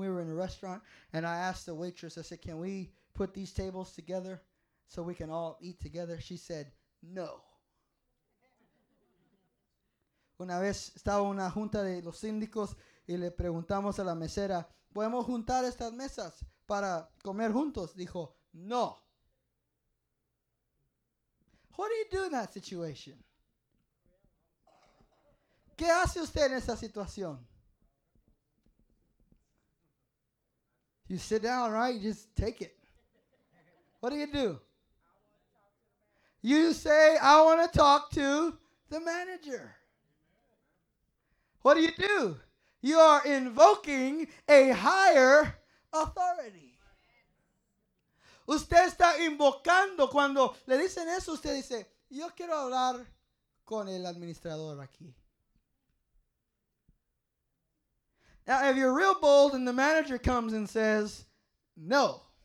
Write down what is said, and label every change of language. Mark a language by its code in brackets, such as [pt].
[en] We were in a restaurant, and I asked the waitress, I said, can we put these tables together so we can all eat together? She said, no. [es] Una vez estaba una junta de los síndicos y le preguntamos a la mesera, ¿podemos juntar estas mesas para comer juntos? Dijo, no. [en] What do you do in that situation? [es] ¿Qué hace usted en esa situación? [en] You sit down, right? You just take it. What do you do? You say, I want to talk to the manager. What do? You are invoking a higher authority. [es] Usted está invocando. Cuando le dicen eso, usted dice, yo quiero hablar con el administrador aquí. [en] Now, if you're real bold and the manager comes and says, no.